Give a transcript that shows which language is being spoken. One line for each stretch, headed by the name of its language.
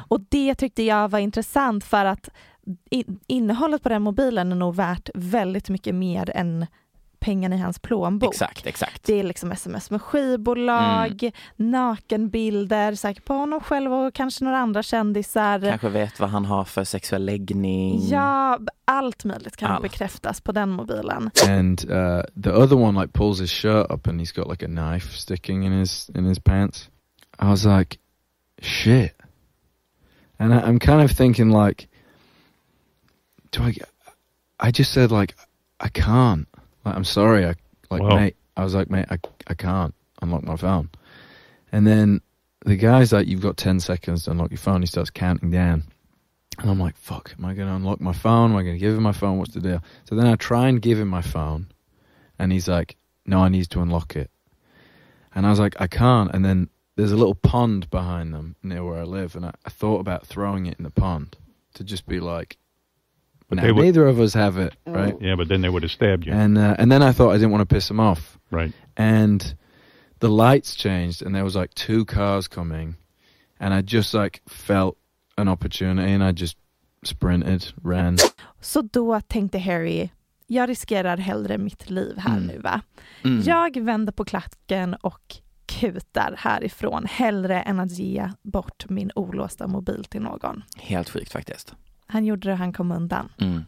Swedish: Och det tyckte jag var intressant, för att innehållet på den mobilen är nog värt väldigt mycket mer än pengarna i hans plånbok. Exakt, exakt. Det är liksom sms med skivbolag, nakenbilder, säkert på honom själv och kanske några andra kändisar. Kanske vet vad han har för sexuell läggning. Ja, allt möjligt kan bekräftas på den mobilen.
English: And the other one like pulls his shirt up and he's got like a knife sticking in his pants. I was like, shit. And I'm kind of thinking like, I just said like, I can't. I'm sorry, I was like, mate, I can't unlock my phone. And then the guy's like, you've got 10 seconds to unlock your phone. He starts counting down. And I'm like, fuck, am I going to unlock my phone? Am I going to give him my phone? What's the deal? So then I try and give him my phone. And he's like, no, I need to unlock it. And I was like, I can't. And then there's a little pond behind them near where I live. And I thought about throwing it in the pond to just be like, but now, neither of us have it, right? Yeah, but then they would have stabbed you. And then I thought I didn't want to piss them off. Right. And the lights changed and there was like two cars coming. And I just like felt an opportunity and I just sprinted, ran.
Swedish: Så då tänkte Harry, jag riskerar hellre mitt liv här nu, va? Mm. Jag vänder på klacken och kutar härifrån hellre än att ge bort min olåsta mobil till någon. Helt sjukt faktiskt. Han gjorde det, han kom undan. Mm.